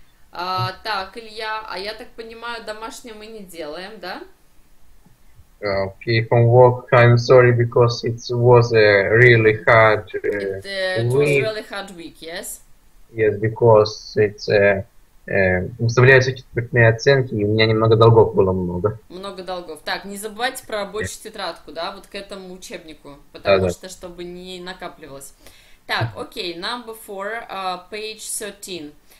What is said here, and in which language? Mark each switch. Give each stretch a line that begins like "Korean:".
Russian: Так, Илья, а я так понимаю, домашнее мы не делаем, да?
English: Okay, homework. I'm sorry because it was a really hard week. It was really hard week, yes. Yes, because it's
Russian: выставляю все четвертные оценки, и у меня немного долгов было много. Много долгов. Так, не забывайте про рабочую тетрадку, да, вот к этому учебнику, потому что, чтобы не накапливалось. Так, окей,
English: number four, page 13.